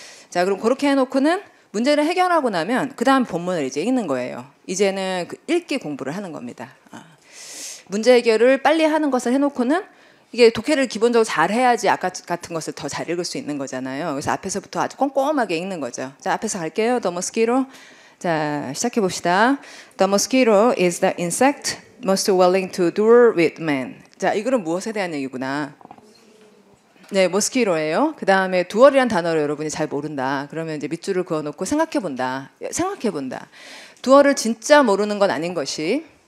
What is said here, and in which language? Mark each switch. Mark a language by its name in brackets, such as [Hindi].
[Korean] 자, 그럼 그렇게 해놓고는 문제를 해결하고 나면 그다음 본문을 이제 읽는 거예요. 이제는 그 읽기 공부를 하는 겁니다. 문제 해결을 빨리 하는 것을 해놓고는 이게 독해를 기본적으로 잘 해야지 아까 같은 것을 더 잘 읽을 수 있는 거잖아요. 그래서 앞에서부터 아주 꼼꼼하게 읽는 거죠. 자, 앞에서 갈게요. [English] The mosquito. [Korean] 자, 시작해 봅시다. [English] The mosquito is the insect most willing to duel with man. [Korean] 자, 이거는 무엇에 대한 얘기구나. 네, 모스키로예요. 그 다음에 duel이란 단어를 여러분이 잘 모른다. 그러면 이제 밑줄을 그어놓고 생각해 본다. 생각해 본다. duel을 진짜 모르는 건 아닌 것이.